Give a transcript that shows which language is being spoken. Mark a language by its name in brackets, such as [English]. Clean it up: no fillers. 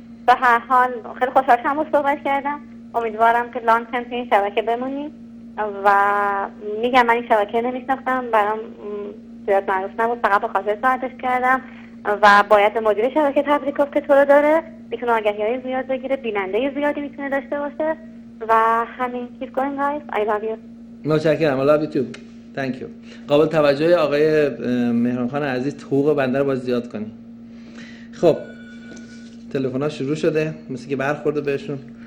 [Persian] به هر حال خیلی خوشحال شدم صحبت کردم، امیدوارم که لانگ ترم توی این شبکه بمونیم. و میگم من این شبکه نمیشناختم، برام زیاد معروف نبود، فقط به خاطر ساعتش کردم. و باید مدیر شبکه تبریک گفت که تو رو داره، میتونه آگهی های زیاد بگیره، بیننده زیادی میتونه داشته باشه. و همین، [English] keep going guys, I love you. [Persian] متشکرم، [English] I love you too, thank you. [Persian] قابل توجه آقای مهران خان عزیز، حقوق بنده رو باید زیاد کنی. خب تلفن ها شروع شده، مثل که برخورده بهشون.